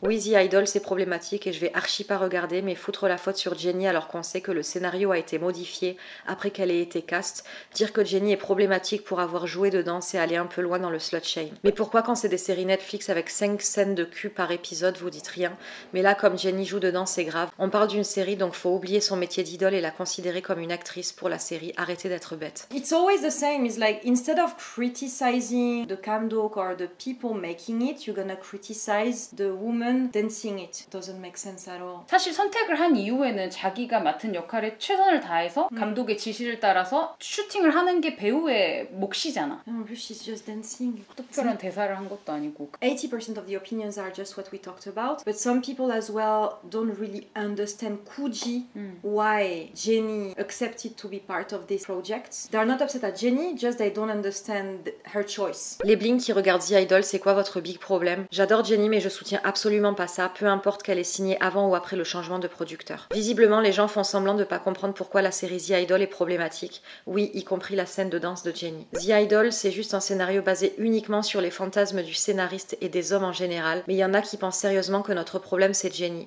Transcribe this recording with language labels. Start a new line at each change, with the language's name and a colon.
French: Oui, The Idol, c'est problématique et je vais archi pas regarder, mais foutre la faute sur Jenny alors qu'on sait que le scénario a été modifié après qu'elle ait été cast, dire que Jenny est problématique pour avoir joué dedans, c'est aller un peu loin dans le slut shame. Mais pourquoi quand c'est des séries Netflix avec 5 scènes de cul par épisode, vous dites rien? Mais là, comme Jenny joue dedans, c'est grave. On parle d'une série, donc faut oublier son métier d'idole et la considérer comme une actrice pour la série. Arrêtez d'être bête.
English: It's always the same. It's like, instead of criticizing the camdok or the people making it, you're gonna criticize the woman dancing it. Doesn't make sense at all.
Korean: 사실 선택을 한 이후에는 자기가 맡은 역할에 최선을 다해서 감독의 지시를 따라서 슈팅을 하는 게 배우의 몫이잖아.
English: She's just dancing.
Korean: 특별한 대사를 한 것도 아니고.
English: 80% of the opinions are just what we talked about. But some people as well don't really understand Kuji why Jenny accepted to be part of this project. They're not upset at Jenny, just they don't understand her choice.
French: Les blings qui regardent The Idol, c'est quoi votre big problème? J'adore Jenny, mais je soutiens absolument pas ça, peu importe qu'elle ait signé avant ou après le changement de producteur. Visiblement, les gens font semblant de pas comprendre pourquoi la série The Idol est problématique. Oui, y compris la scène de danse de Jenny. The Idol, c'est juste un scénario basé uniquement sur les fantasmes du scénariste et des hommes en général, mais il y en a qui pensent sérieusement que notre problème c'est Jenny.